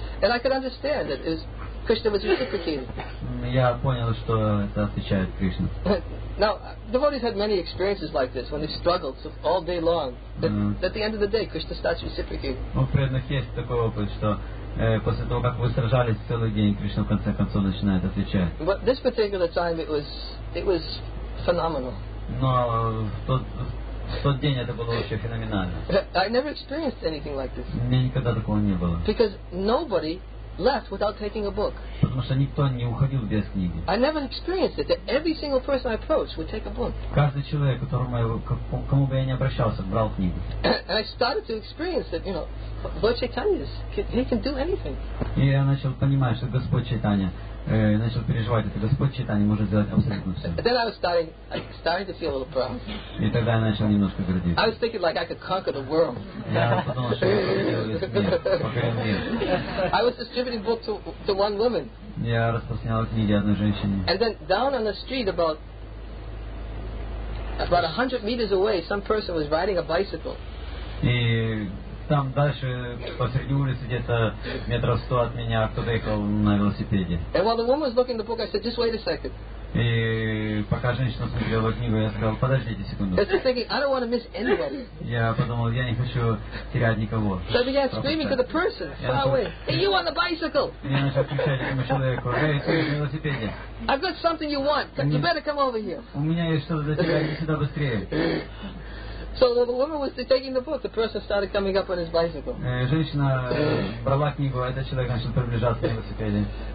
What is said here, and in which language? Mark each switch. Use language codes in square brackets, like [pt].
[en] And I could understand that it was Krishna was reciprocating. [ru] Я понял, что это отвечает Кришна. [en] Now, devotees had many experiences like this when they struggled all day long. At the end of the day, Krishna starts reciprocating. [ru] У преданных есть такой опыт, что после того, как вы сражались целый день, Кришна в конце концов начинает отвечать. [en] But this particular time, it was phenomenal. [ru] Но в тот день это было вообще феноменально. [en] I never experienced anything like this. [ru] У меня никогда такого не было. [en] Because nobody left without taking a book. [ru] Потому что никто не уходил без книги. [en] I never experienced it. Every single person I approached would take a book. [ru] Каждый человек, кому бы я ни обращался, брал книгу. [en] And I started to experience that, you know, Lord Chaitanya, he can do anything. [ru] И я начал понимать, что Господь Чайтанья, начал переживать, это Господь Чайтанья может сделать абсолютно все. [en] And then I was starting to feel a little proud. [ru] И тогда я начал немножко гордиться. [en] I was thinking like I could conquer the world. [ru] Я подумал, что я покорил весь мир. [en] I was distributing books to one woman. [ru] Я распространял книги одной женщине. [en] And then down on the street about 100 meters away, some person was riding a bicycle. [ru] И там дальше посреди улицы где-то 100 метров от меня кто-то ехал на велосипеде. [en] And while the woman was looking at the book, I said, just wait a second. [ru] И пока женщина смотрела книгу, я сказал, подождите секунду. [en] I was thinking, I don't want to miss anybody. [ru] Я подумал, я не хочу терять никого. [en] So I began screaming to the person far away. Hey, you on the bicycle? [ru] Я начал кричать этому человеку, эй, ты на велосипеде. [en] I've got something you want. You better come over here. [ru] У меня есть что-то для тебя, иди сюда быстрее. [en] So the woman was taking the book. The person started coming up on his bicycle. [ru] Женщина брала книгу, этот человек начал приближаться на велосипеде.